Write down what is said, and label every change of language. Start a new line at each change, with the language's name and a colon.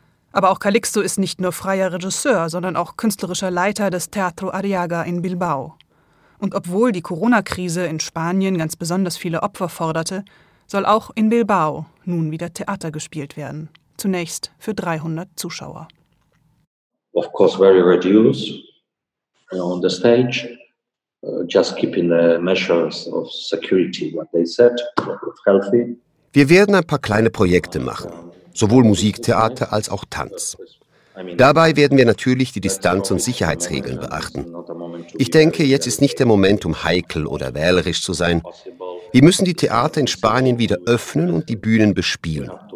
German: Aber auch Calixto ist nicht nur freier Regisseur, sondern auch künstlerischer Leiter des Teatro Arriaga in Bilbao. Und obwohl die Corona-Krise in Spanien ganz besonders viele Opfer forderte, soll auch in Bilbao nun wieder Theater gespielt werden. Zunächst für 300 Zuschauer.
English: Of course, very reduced on the stage. Just keeping the measures of security, what they said, healthy.
German: Wir werden ein paar kleine Projekte machen, sowohl Musiktheater als auch Tanz. Dabei werden wir natürlich die Distanz- und Sicherheitsregeln beachten. Ich denke, jetzt ist nicht der Moment, um heikel oder wählerisch zu sein. Wir müssen die Theater in Spanien wieder öffnen und die Bühnen bespielen.